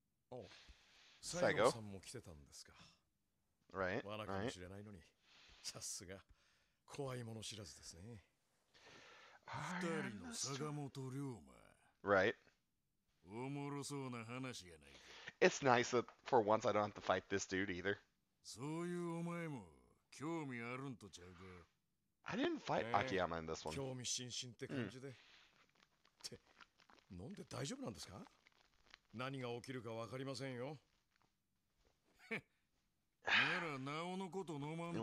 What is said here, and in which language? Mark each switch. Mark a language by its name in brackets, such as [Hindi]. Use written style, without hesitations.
[Japanese] Oh, Saigo-san も来てたんですか。 [English] Right, right. [Japanese] 罠かもしれないのに、さすが怖いもの知らずですね。二人の坂本龍馬。 [English] Right. [Japanese] おもろそうな話やないか。 [English] It's nice that for once I don't have to fight this dude either. [Japanese] そういうお前も興味あるんとちゃうか。 [English] I didn't fight Akiyama in this one. [Japanese] 興味津々って感じで。って、なんで大丈夫なんですか？何が起きるかわかりませんよ。なら、なおのこと飲まんと。